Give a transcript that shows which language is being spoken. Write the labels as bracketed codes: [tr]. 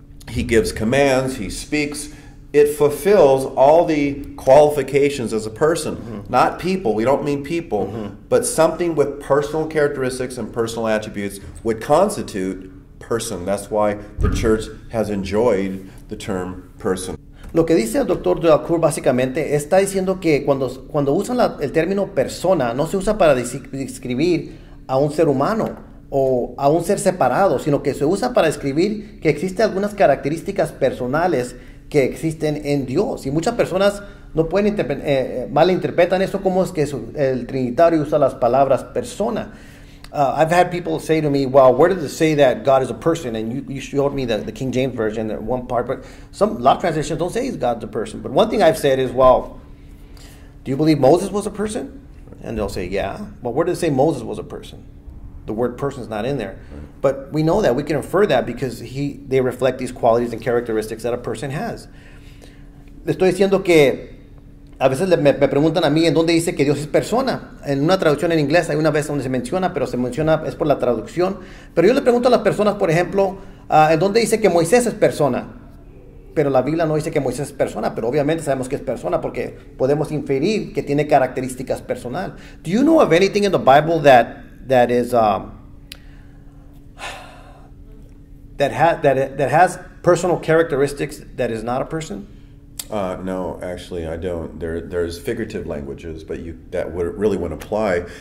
[en] He gives commands, he speaks. It fulfills all the qualifications as a person, mm-hmm. not people. We don't mean people, mm-hmm. but something with personal characteristics and personal attributes would constitute person. That's why the church has enjoyed the term person. [es] Lo que dice el Dr. Dalcour básicamente está diciendo que cuando usan el término persona, no se usa para describir a un ser humano o a un ser separado, sino que se usa para describir que existen algunas características personales que existen en Dios. Y muchas personas no pueden malinterpretan eso como es que el Trinitario usa las palabras persona. [en] I've had people say to me, well, where does it say that God is a person? And you showed me the King James Version, that one part. But a lot of translations don't say God's a person. But one thing I've said is, well, do you believe Moses was a person? And they'll say, yeah. Well, where does it say Moses was a person? The word person is not in there. Right. But we know that. We can infer that because they reflect these qualities and characteristics that a person has. [es] Le estoy diciendo que a veces me preguntan a mí en dónde dice que Dios es persona. En una traducción en inglés hay una vez donde se menciona, pero se menciona es por la traducción. Pero yo le pregunto a las personas, por ejemplo, en dónde dice que Moisés es persona. Pero la Biblia no dice que Moisés es persona, pero obviamente sabemos que es persona porque podemos inferir que tiene características personal. [en] Do you know of anything in the Bible that has personal characteristics that is not a person? No, actually, I don't. There's figurative languages, but that wouldn't apply.